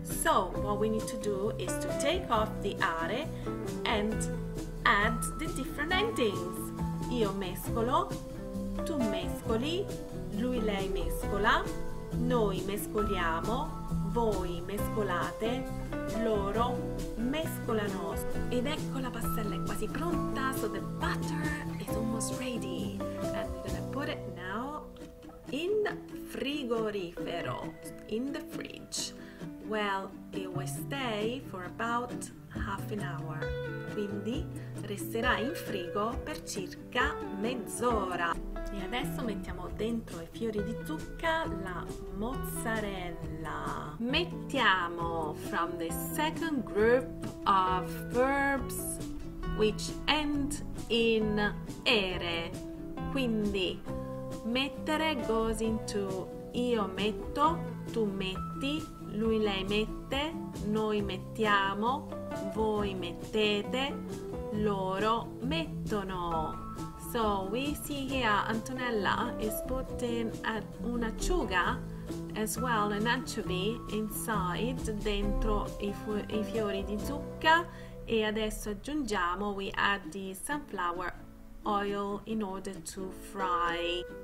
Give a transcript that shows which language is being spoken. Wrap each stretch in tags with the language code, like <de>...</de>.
<en>So, what we need to do is to take off the are and add the different endings.</en> <it>Io mescolo, tu mescoli, lui, lei mescola, noi mescoliamo. Voi mescolate, loro mescolano. Ed ecco la pastella è quasi pronta.</it> <en>So the butter is almost ready. And we're gonna put it now in frigorifero, in the fridge. Well, it will stay for about half an hour.</en> <it>Quindi resterà in frigo per circa mezz'ora. E adesso mettiamo dentro i fiori di zucca la mozzarella.</it> <en>Mettiamo from the second group of verbs which end in ere.</en> <it>Quindi mettere</it> <en>goes into</en> <it>io metto, tu metti, lui lei mette, noi mettiamo, voi mettete, loro mettono.</it> <en>So we see here Antonella is putting un'acciuga as well, an anchovy inside,</en> <it>dentro i fiori di zucca, e adesso aggiungiamo,</it> <en>we add the sunflower oil in order to fry.</en>